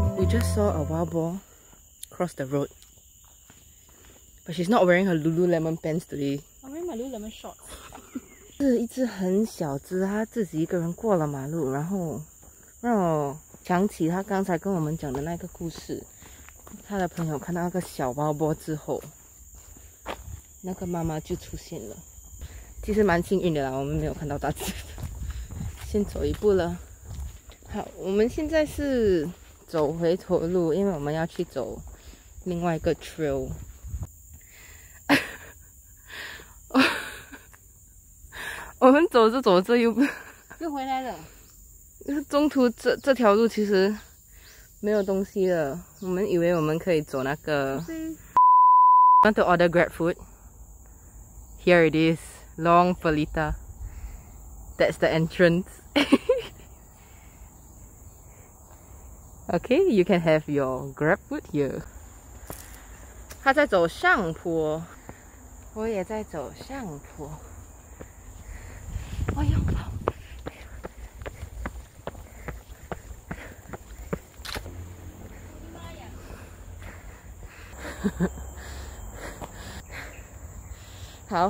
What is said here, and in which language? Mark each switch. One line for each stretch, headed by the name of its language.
English: Just saw a wild boar cross the road, but she's not wearing her Lululemon pants today. I'm wearing my Lululemon shorts.
Chinese: 是一只很小只，它自己一个人过了马路，然后让我想起它刚才跟我们讲的那个故事。它的朋友看到那个小wild boar之后，那个妈妈就出现了。其实蛮幸运的啦，我们没有看到大只。先走一步了。好，我们现在是。走回头路，因为我们要去走另外一个 trail。我们走着走着又回来了。中途这条路其实没有东西了，我们以为我们可以走那个。
English: Want to order grab food? Here it is, Long Felita. That's the entrance. Okay, you can have your grab food here.
Chinese: 他在走上坡，我也在走上坡。哎呦，好！